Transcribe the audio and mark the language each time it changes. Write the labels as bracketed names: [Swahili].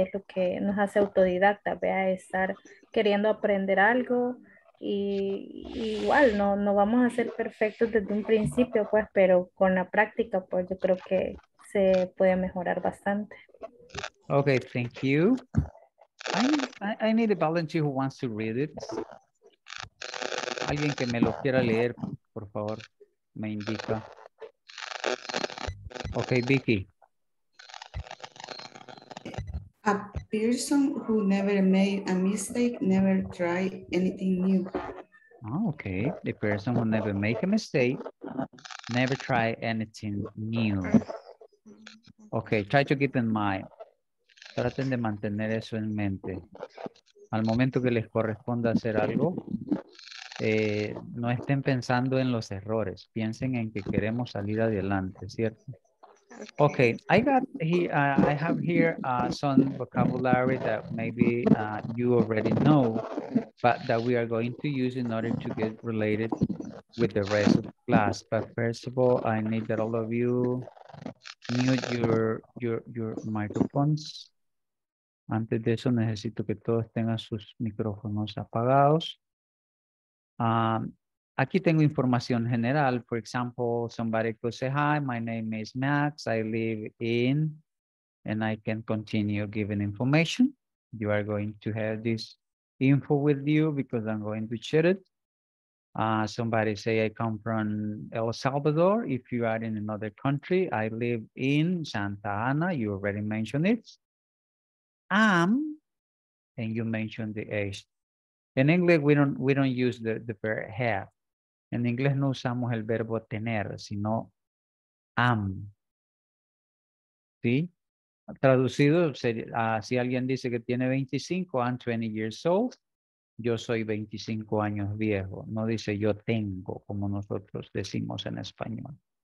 [Spanish] Es lo que nos hace autodidacta, ¿ve? Estar queriendo aprender algo y igual no vamos a ser perfectos desde un principio, pues, pero con la práctica pues yo creo que se puede mejorar bastante. [English] Ok, thank you. I need a volunteer who wants to read it. [Spanish] Alguien que me lo quiera leer, por favor, me indica. [English] Ok, Vicky. A person who never made a mistake, never try anything new. Oh, ok, the person who never make a mistake, never try anything new. Ok, try to keep in mind. [Spanish] Traten de mantener eso en mente. Al momento que les corresponda hacer algo, no estén pensando en los errores. Piensen en que queremos salir adelante, ¿cierto? [English] Okay, I got I have here some vocabulary that maybe you already know, but that we are going to use in order to get related with the rest of the class. But first of all, I need that all of you mute your microphones. [Spanish] Antes de eso, necesito que todos tengan sus micrófonos apagados. Aquí tengo información general. [English] For example, somebody could say, hi, my name is Max, I live in, and I can continue giving information. You are going to have this info with you because I'm going to share it. Somebody say, I come from El Salvador. If you are in another country, I live in Santa Ana. You already mentioned it. And you mentioned the age. In English, we don't use the verb have. [Spanish] En inglés no usamos el verbo tener, sino am. ¿Sí? Traducido, si alguien dice que tiene 25, [English] I'm 20 years old. [Spanish] Yo soy 25 años viejo. No dice yo tengo, como nosotros decimos en español.